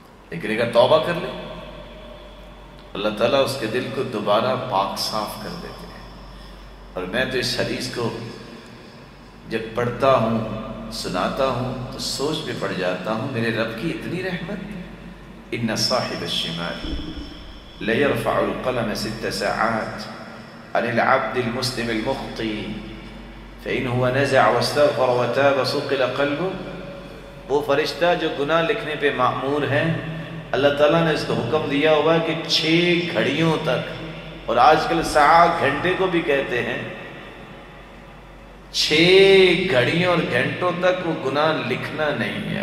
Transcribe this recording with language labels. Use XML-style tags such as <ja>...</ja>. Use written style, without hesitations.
<ur>لیکن اگر توبہ کر لے اللہ تعالیٰ اس کے دل کو دوبارہ پاک صاف کر دیتے ہیں. اور میں تو اس حدیث کو جب پڑھتا ہوں سناتا ہوں تو سوچ میں پڑ جاتا ہوں میرے رب کی اتنی رحمت.</ur> <ar>ان صاحب الشمال لیرفع القلم ست ساعات عن العبد المسلم المخطی فإن هو نزع واستغفر وتاب صقل قلبه.</ar> <ur>وہ فرشتہ جو گناہ لکھنے پہ معمور ہے, اللہ تعالیٰ نے اس کو حکم دیا ہوا کہ 6 گھڑیوں تک, اور آج کل ساعت گھنٹے کو بھی کہتے ہیں, 6 گھڑیوں اور گھنٹوں تک وہ گناہ لکھنا نہیں ہے.</ur>